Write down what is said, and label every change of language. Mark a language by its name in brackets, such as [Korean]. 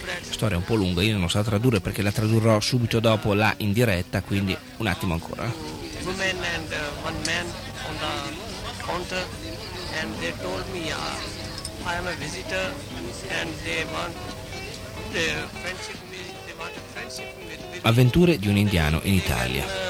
[Italian] Storia un po' lunga, io non so tradurre perché la tradurrò subito dopo là in diretta, quindi un attimo ancora. [English] Woman and one man on the counter. And they told me I am a visitor and they want a friendship with me. [Italian] Avventure di un indiano in Italia.